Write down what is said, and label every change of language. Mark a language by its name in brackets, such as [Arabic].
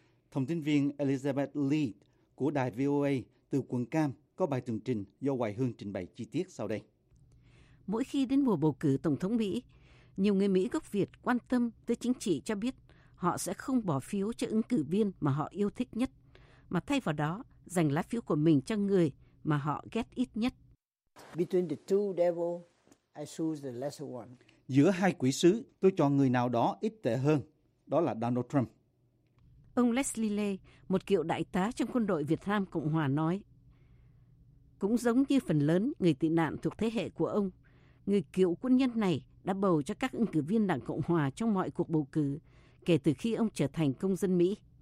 [Vietnamese] Thông tin viên Elizabeth Lee của đài VOA từ quận Cam có bài tường trình do Hoài Hương trình bày chi tiết sau đây. Mỗi khi đến mùa bầu cử Tổng thống Mỹ, nhiều người Mỹ gốc Việt quan tâm tới chính trị cho biết họ sẽ không bỏ phiếu cho ứng cử viên mà họ yêu thích nhất, mà thay vào đó dành lá phiếu của mình cho người mà họ ghét ít nhất. [English] Between the two devils, I choose the lesser one. [Vietnamese] Giữa hai quỷ sứ, tôi chọn người nào đó ít tệ hơn, đó là Donald Trump. Ông Leslie Lay, một cựu đại tá trong quân đội Việt Nam Cộng Hòa nói, cũng giống như phần lớn người tị nạn thuộc thế hệ của ông, người cựu quân nhân này đã bầu cho các ứng cử viên đảng Cộng Hòa trong mọi cuộc bầu cử kể từ khi ông trở thành công dân Mỹ.